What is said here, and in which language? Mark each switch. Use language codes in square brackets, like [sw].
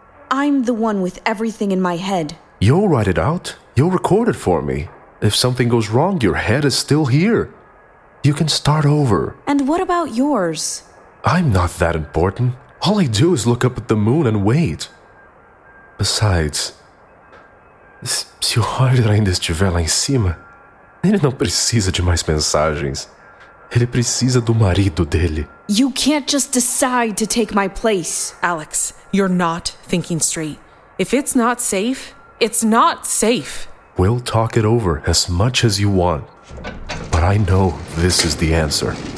[en] I'm the one with everything in my head. You'll write it out. You'll record it for me. If something goes wrong, your head is still here. You can start over. And what about yours? I'm not that important. All I do is look up at the moon and wait. Besides, [pt] se o Roger ainda estiver lá em cima, ele não precisa de mais mensagens. Ele precisa do marido dele. [en] You can't just decide to take my place, Alex. You're not thinking straight. If it's not safe, it's not safe. We'll talk it over as much as you want. But I know this is the answer.